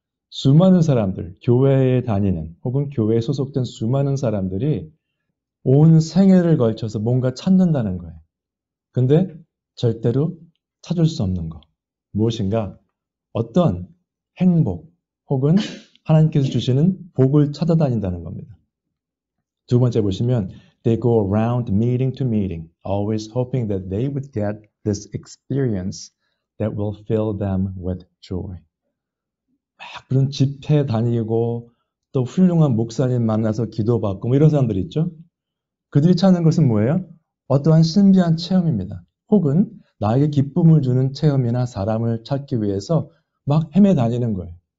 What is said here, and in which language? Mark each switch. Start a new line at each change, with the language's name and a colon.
Korean: 수많은 사람들, 교회에 다니는 혹은 교회에 소속된 수많은 사람들이 온 생애를 걸쳐서 뭔가 찾는다는 거예요. 근데 절대로 찾을 수 없는 거. 무엇인가? 어떤 행복 혹은 하나님께서 주시는 복을 찾아다닌다는 겁니다. 두 번째 보시면
English: They go around meeting to meeting, always hoping that they would get this experience that will fill them with joy.
Korean: 막 그런 집회 다니고 또 훌륭한 목사님 만나서 기도받고 뭐 이런 사람들 있죠? 그들이 찾는 것은 뭐예요? 어떠한 신비한 체험입니다. 혹은 나에게 기쁨을 주는 체험이나 사람을 찾기 위해서 막 헤매다니는 거예요.